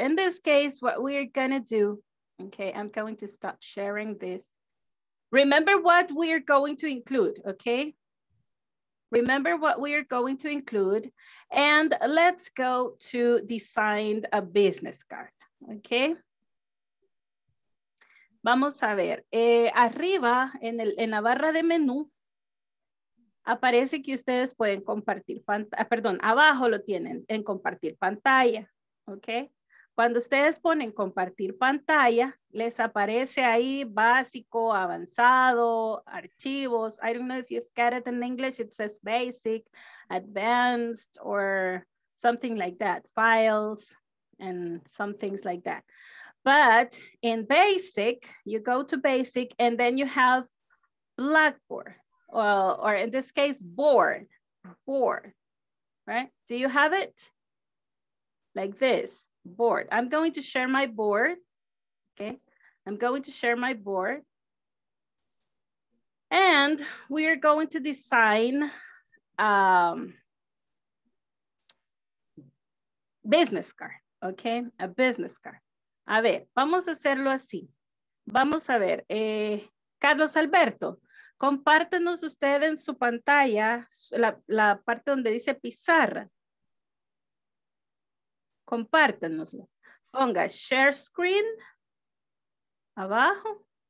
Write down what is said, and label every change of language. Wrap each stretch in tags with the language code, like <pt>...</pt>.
<en>In this case, what we're gonna do, okay, I'm going to stop sharing this. Remember what we're going to include, okay? Remember what we are going to include, and let's go to design a business card. Okay.</en> <es>Vamos a ver. Arriba en la barra de menú aparece que ustedes pueden compartir pantalla. Perdón, abajo lo tienen en compartir pantalla. Okay. Cuando ustedes ponen compartir pantalla, les aparece ahí básico, avanzado, archivos.</es> <en>I don't know if you've got it in English. It says basic, advanced, or something like that. Files. And some things like that. But in basic, you go to basic and then you have blackboard, or in this case, board, right? Do you have it? Like this, board. I'm going to share my board, okay? I'm going to share my board. And we are going to design business card. Okay, a business card.</en> <es>A ver, vamos a hacerlo así. Vamos a ver, Carlos Alberto, compártenos usted en su pantalla la parte donde dice pizarra. compártanoslo. Ponga share screen abajo.</es>